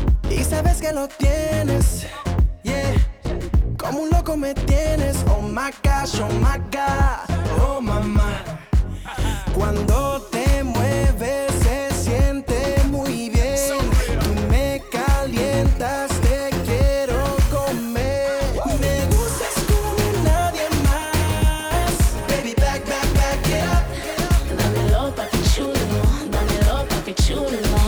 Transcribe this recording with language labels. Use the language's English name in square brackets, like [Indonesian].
[Spanish] Y sabes que lo tienes, yeah. Como un loco me tienes, [English] oh my gosh, oh my God, [Spanish] oh mamá. Cuando te mueves se siente muy bien. Tú me calientas, te quiero comer. Me gustas como nadie más. [English] Baby, back, back, back, get up. [Spanish] Dámelo pa' que chulo, dámelo pa' que chulo.